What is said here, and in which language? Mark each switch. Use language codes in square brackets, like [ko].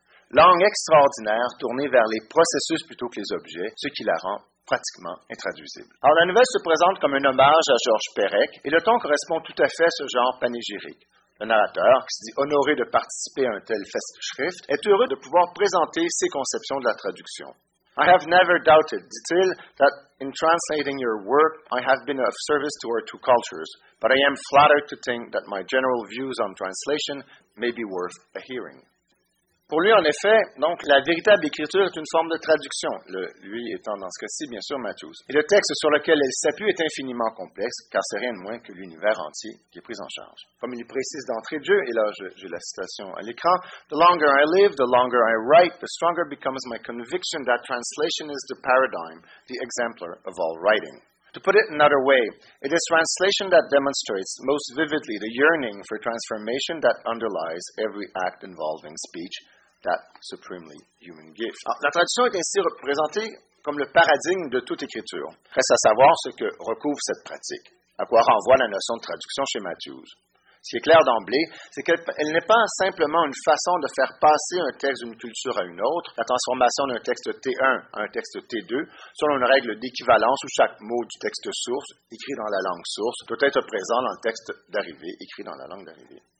[fr] Langue extraordinaire tournée vers les processus plutôt que les objets, ce qui la rend pratiquement intraduisible. Alors, la nouvelle se présente comme un hommage à Georges Perec, et le ton correspond tout à fait à ce genre panégyrique. Le narrateur, qui se dit honoré de participer à un tel festschrift, est heureux de pouvoir présenter ses conceptions de la traduction. [en] I have never doubted, [fr] dit-il, [en] that in translating your work, I have been of service to our two cultures, but I am flattered to think that my general views on translation may be worth a hearing. [fr] Pour lui, en effet, donc, la véritable écriture est une forme de traduction, lui étant dans ce cas-ci, bien sûr, Matthews. Et le texte sur lequel elle s'appuie est infiniment complexe, car c'est rien de moins que l'univers entier qui est pris en charge. Comme il précise d'entrée de jeu, et là, j'ai la citation à l'écran, [en] « The longer I live, the longer I write, the stronger becomes my conviction that translation is the paradigm, the exemplar of all writing. To put it another way, it is translation that demonstrates most vividly the yearning for transformation that underlies every act involving speech, that supremely human gift. [fr] Alors, la traduction est ainsi représentée comme le paradigme de toute écriture. Reste à savoir ce que recouvre cette pratique, à quoi renvoie la notion de traduction chez Matthews. Ce qui est clair d'emblée, c'est qu'elle n'est pas simplement une façon de faire passer un texte d'une culture à une autre, la transformation d'un texte T1 à un texte T2, selon une règle d'équivalence où chaque mot du texte source, écrit dans la langue source, doit être présent dans le texte d'arrivée, écrit dans la langue d'arrivée.